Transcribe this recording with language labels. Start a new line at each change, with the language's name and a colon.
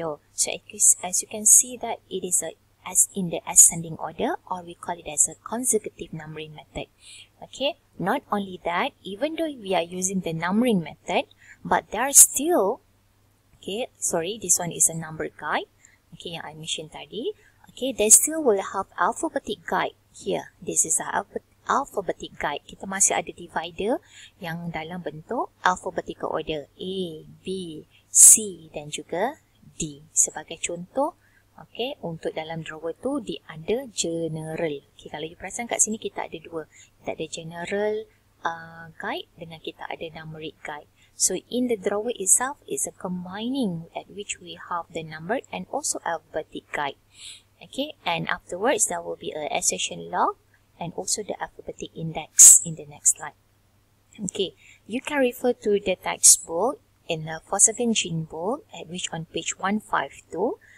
English: So, as you can see that it is a as in the ascending order, or we call it as a consecutive numbering method. Okay, not only that, even though we are using the numbering method, but there are still, okay, sorry, this one is a number guide, okay,
Malay: yang I mentioned tadi,
English: okay, they still will have alphabetic guide here. This is a alphabetic guide.
Malay: Kita masih ada divider yang dalam bentuk alphabetical order, A, B, C, dan juga D. Sebagai contoh, okay, untuk dalam drawer tu, dia ada general. Okay, kalau you perasan kat sini, kita ada 2. Kita ada general guide dengan kita ada numeric guide.
English: So, in the drawer itself, is a combining at which we have the number and also alphabetic guide. Okay, and afterwards, there will be a accession log and also the alphabetic index in the next slide. Okay, you can refer to the textbook in the Fosegen Ginn book at which on page 152.